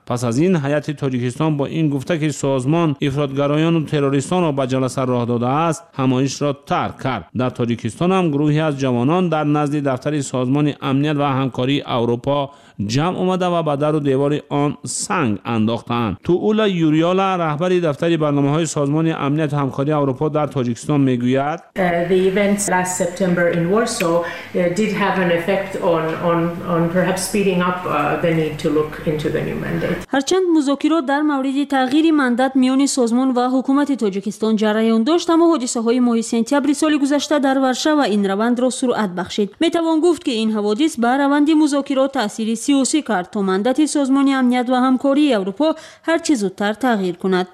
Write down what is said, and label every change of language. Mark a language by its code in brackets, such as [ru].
[fa] پس از این هیئت تاجیکستان با این گفته که سازمان افرادگرایان و تروریستان را به جلسه راه داده است، همایش را ترک کرد. در تاجیکستان هم گروهی از جوانان در نزد دفتر سازمان امنیت و همکاری اروپا جمع آمده و به در و دیوار آن سنگ انداختند. تولا یوریولا رهبر دفتر برنامه های سازمان امنیت و همکاری اروپا در تاجیکستان میگوید: [en] The events last September in Warsaw did have an effect on perhaps speeding up the need to look into the new mandate. [fa] هرچند مذاکرات در مورد تغییر مندات میان سازمان و حکومت تاجیکستان جریان داشت، اما حادثه های ماه سپتامبر سال گذشته در ورشو این روند را سرعت بخشید. می توان گفت که این حوادث بر روند مذاکرات تاثیر سیاسی کرد تا مندات سازمان امنیت و همکاری اروپا هر چه زودتر تغییر کند.